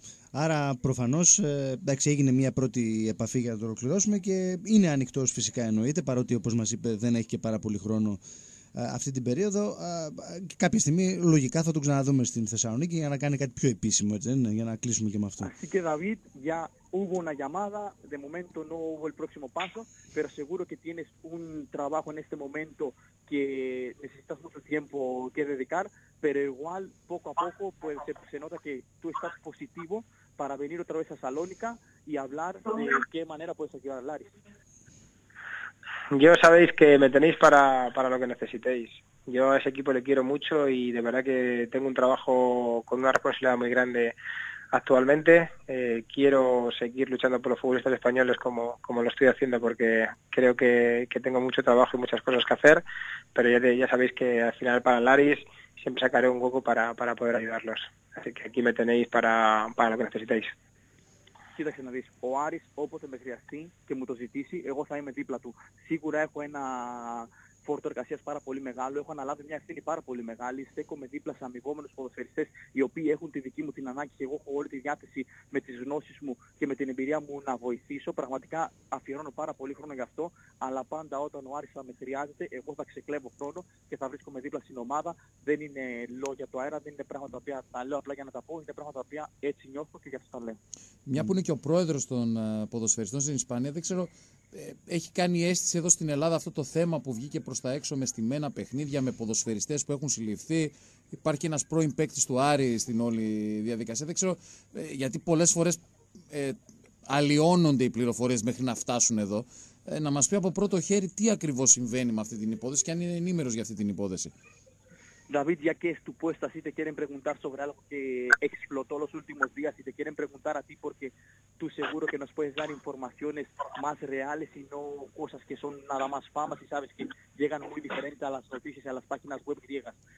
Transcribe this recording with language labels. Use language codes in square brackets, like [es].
[el] Άρα προφανώς έγινε μια πρώτη επαφή για να το ολοκληρώσουμε και είναι ανοιχτός φυσικά εννοείται, παρότι όπως μας είπε δεν έχει και πάρα πολύ χρόνο αυτή την περίοδο. Κάποια στιγμή λογικά θα τον ξαναδούμε στην Θεσσαλονίκη για να κάνει κάτι πιο επίσημο, έτσι, ναι, για να κλείσουμε και με αυτό. [es] Και Δαβίτ, για hubo una llamada, de momento no hubo el próximo paso, pero seguro que tienes un trabajo en este momento que necesitas mucho tiempo que dedicar, pero igual poco a poco pues se nota que tú estás positivo para venir otra vez a Salónica y hablar de qué manera puedes ayudar a Laris. Yo sabéis que me tenéis para lo que necesitéis. Yo a ese equipo le quiero mucho y de verdad que tengo un trabajo con una responsabilidad muy grande. Actualmente quiero seguir luchando por los futbolistas españoles como lo estoy haciendo, porque creo que tengo mucho trabajo y muchas cosas que hacer, pero ya sabéis que al final para Laris siempre sacaré un hueco para poder ayudarlos. Así que aquí me tenéis para lo que necesitéis. [el] Κοίταξε να δεις, ο Άρης όποτε με χρειαστεί και μου το ζητήσει, εγώ θα είμαι δίπλα του. Σίγουρα έχω ένα φόρτο εργασίας πάρα πολύ μεγάλο, έχω αναλάβει μια ευθύνη πάρα πολύ μεγάλη. Στέκομαι δίπλα σε αμοιβόμενους ποδοσφαιριστές οι οποίοι έχουν τη δική μου την ανάγκη και εγώ έχω όλη τη διάθεση με τις γνώσεις μου και με την εμπειρία μου να βοηθήσω. Πραγματικά αφιερώνω πάρα πολύ χρόνο γι' αυτό, αλλά πάντα όταν ο Άρης θα με χρειάζεται, εγώ θα ξεκλέβω χρόνο και θα βρίσκομαι δίπλα στην ομάδα. Δεν είναι λόγια το αέρα, δεν είναι πράγματα τα οποία τα λέω απλά για να τα πω, είναι πράγματα τα οποία έτσι νιώθω και γι' αυτό τα λέω. Μια που είναι και ο πρόεδρος των ποδοσφαιριστών στην Ισπανία, δεν ξέρω, έχει κάνει αίσθηση εδώ στην Ελλάδα αυτό το θέμα που βγήκε προς τα έξω με στημένα παιχνίδια, με ποδοσφαιριστές που έχουν συλληφθεί. Υπάρχει ένας πρώην παίκτης του Άρη στην όλη διαδικασία. Δεν ξέρω, γιατί πολλές φορές αλλοιώνονται οι πληροφορίες μέχρι να φτάσουν εδώ. Να μας πει από πρώτο χέρι τι ακριβώς συμβαίνει με αυτή την υπόθεση και αν είναι ενήμερος για αυτή την υπόθεση. [es] David, ya que es tu puesta, si te quieren preguntar sobre algo que explotó los últimos días, si te quieren preguntar a ti, porque tú seguro que nos puedes dar informaciones más reales y no cosas que son nada más famas y sabes que llegan muy diferente a las noticias y a las páginas web griegas.